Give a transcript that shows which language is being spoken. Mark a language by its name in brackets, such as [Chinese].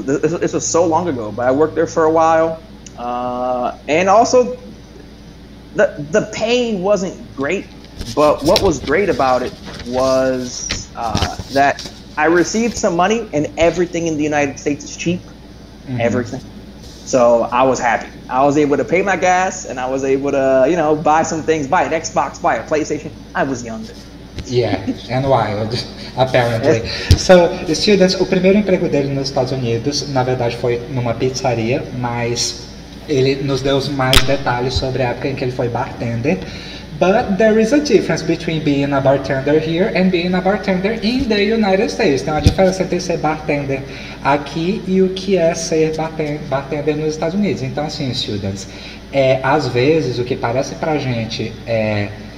[English] This was so long ago, but I worked there for a while. And also, the pay wasn't great, but what was great about it was that I received some money and everything in the United States is cheap. Mm-hmm. Everything. So I was happy. I was able to pay my gas and I was able to, you know, buy some things, buy an Xbox, buy a PlayStation. I was young. Yeah, and wild, apparently. So, students, [Portuguese] o primeiro emprego dele nos Estados Unidos, na verdade, foi numa pizzaria, mas ele nos deu mais detalhes sobre a época em que ele foi bartender. [English] But there is a difference between being a bartender here and being a bartender in the United States. [Portuguese] Tem uma diferença entre ser bartender aqui e o que é ser bartender nos Estados Unidos. Então, assim, students, às vezes o que parece pra gente é...